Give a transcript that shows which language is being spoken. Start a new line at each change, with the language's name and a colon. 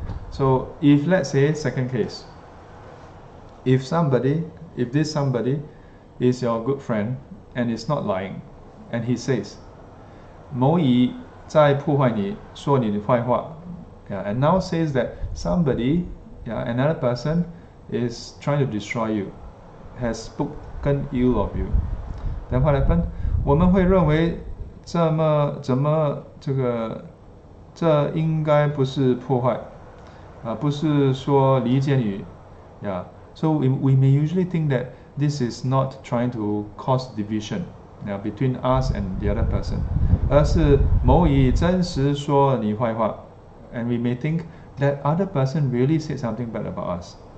English: So if, let's say, second case, if this somebody is your good friend and is not lying, and he says,
Chinese: 某乙在破坏你,说你的坏话,
English: yeah, and now says that somebody, yeah, another person is trying to destroy you, has spoken ill of you. Then what happened?
Chinese: 我们会认为这应该不是破坏, 不是说离间于, yeah.
English: So we may usually think that this is not trying to cause division, yeah, between us and the other person.
Chinese: 而是某乙真实说你坏话,
English: and we may think that other person really said something bad about us.